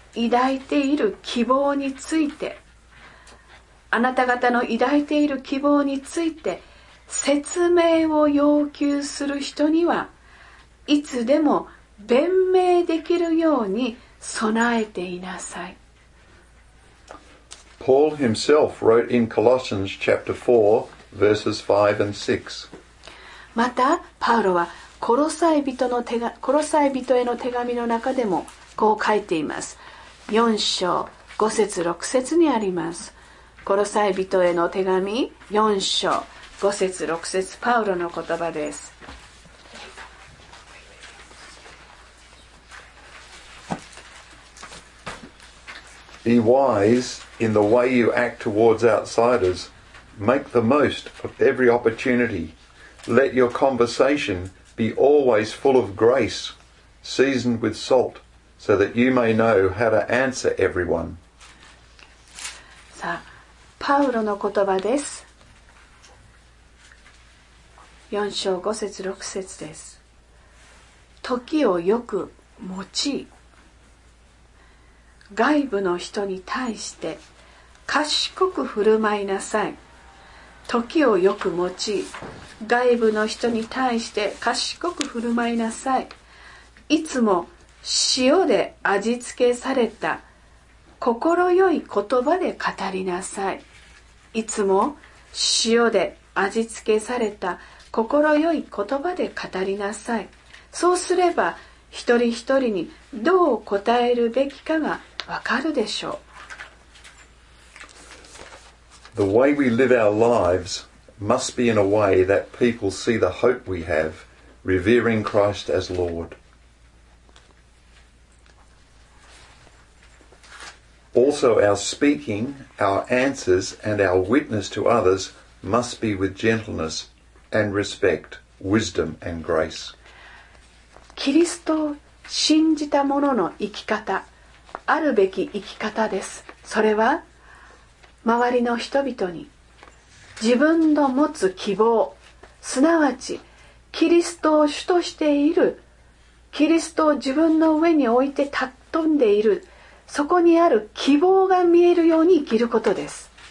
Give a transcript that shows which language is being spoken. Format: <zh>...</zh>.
<ja>抱いている希望について、あなた方の抱いている希望について説明を要求する人にはいつでも弁明できるように備えていなさい。</ja> <en>Paul himself wrote in Colossians chapter 4 verses 5 and 6。</en> <ja>またパウロはコロサイ人への手紙の中でもこう書いています。 4章5節6節にあります。コロサイ人への手紙4章5節6節、パウロの言葉です。</ja> <en>Be wise in the way you act towards outsiders. Make the most of every opportunity. Let your conversation be always full of grace, seasoned with salt, so that you may know how to answer everyone.</en> <ja>さあ、パウロの言葉です。 4章5節6節です。時をよく用い、外部の人に対して賢く振る舞いなさい。時をよく用い、外部の人に対して賢く振る舞いなさい。いつも塩で味付けされた心よい言葉で語りなさい。いつも塩で味付けされた心よい言葉で語りなさい。そうすれば一人一人にどう答えるべきかがわかるでしょう。</ja> <en>The way we live our lives must be in a way that people see the hope we have, revering Christ as Lord. Also, our speaking, our answers, and our witness to others must be with gentleness and respect, wisdom and grace.</en> <ja>キリストを信じた者の生き方、あるべき生き方です。それは周りの人々に自分の持つ希望、すなわちキリストを主としている、キリストを自分の上に置いて尊んでいる、そこにある希望が見えるように生きることです。</ja>